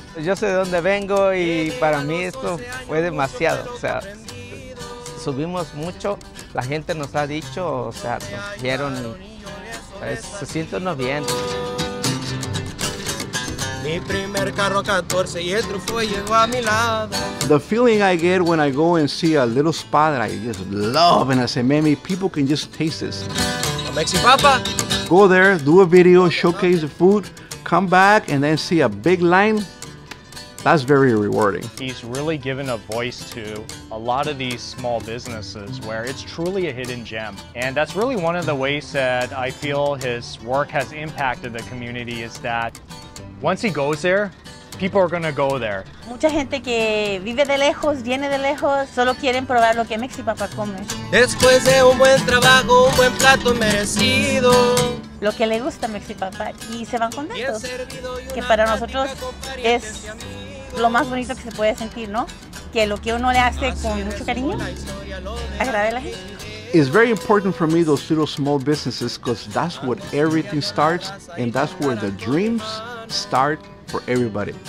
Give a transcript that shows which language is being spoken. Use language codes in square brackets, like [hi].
[es] Yo sé de dónde vengo y para mí esto fue demasiado. O sea, subimos mucho la gente nos ha dicho, o sea, nos vieron y pues, se siente uno bien. Mi primer carro 14 y el trufo llegó a mi lado. [en] The feeling I get when I go and see a little spot that I just love and I say, man, people can just taste this. A Mexi Papa. Go there, do a video, showcase the food, come back and then see a big line. That's very rewarding. He's really given a voice to a lot of these small businesses where it's truly a hidden gem. And that's really one of the ways that I feel his work has impacted the community is that once he goes there, people are gonna go there. [es] Mucha gente que vive de lejos, viene de lejos, solo quieren probar lo que Mexi Papa come. Después de un buen trabajo, un buen plato merecido. Lo que le gusta a Mexi Papa y se van contentos. Que para nosotros es lo más bonito que se puede sentir, ¿no? Que lo que uno le hace con mucho cariño, agrade a la gente. [en] It's very important for me, those little small businesses, because that's where everything starts, and that's where the dreams start for everybody.